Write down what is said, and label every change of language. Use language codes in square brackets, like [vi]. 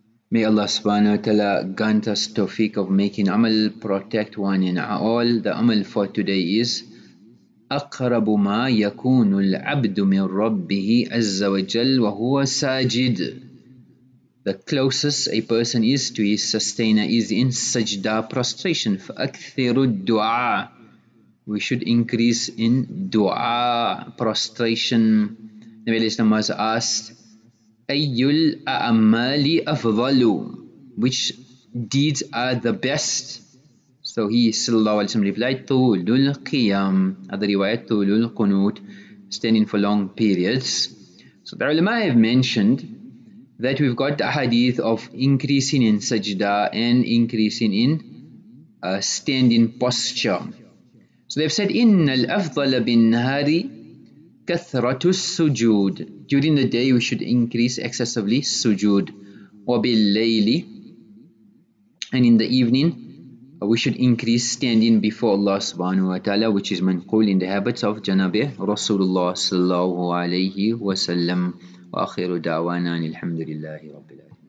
[en] May Allah subhanahu wa ta'ala grant us tawfiq of making amal, protect one and all. The amal for today is [ar] أقرب ما يكون العبد من ربه عز وجل وهو ساجد. [en] The closest a person is to his sustainer is in sajda, prostration. [ar] فأكثر الدعاء. [en] We should increase in دعاء, prostration. Nabi alayhi salam was asked, [ar] أي الأعمال أفضل؟ [en] Which deeds are the best? So he sallallahu alayhi wa sallam replied, [ar] طول القيام. [en] Other riwayat, [ar] طول القنوت, [en] standing for long periods. So the ulama have mentioned that we've got a hadith of increasing in sajda and increasing in standing posture. So they've said, [ar] إِنَّ الْأَفْضَلَ بِالنَّهَارِ كَثْرَةُ السُّجُودِ. [en] During the day we should increase excessively sujood. [ar] وَبِاللَّيْلِ. [en] And in the evening we should increase standing before Allah subhanahu wa ta'ala, which is manqul in the habits of janabih Rasulullah sallallahu alayhi wa sallam. [ar] وآخر دعوانا الحمد لله رب العالمين.